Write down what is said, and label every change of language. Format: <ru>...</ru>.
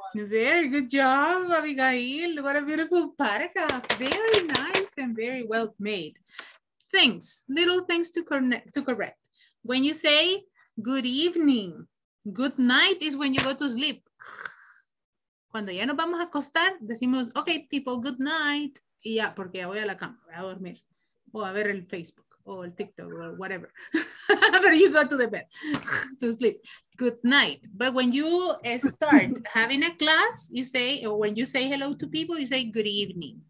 <en>Very good job, Abigail. What a beautiful paragraph. Very nice and very well made. Things, little things to correct. When you say good evening, good night is when you go to sleep.</en> <es>Cuando ya nos vamos a acostar, decimos,</es> <en>okay, people, good night.</en> <es>Y ya, porque ya voy a la cama, voy a dormir. O a ver el Facebook, o el TikTok,</es> <en>or whatever. But you go to the bed, to sleep. Good night. But when you start having a class, you say, or when you say hello to people, you say good evening.</en>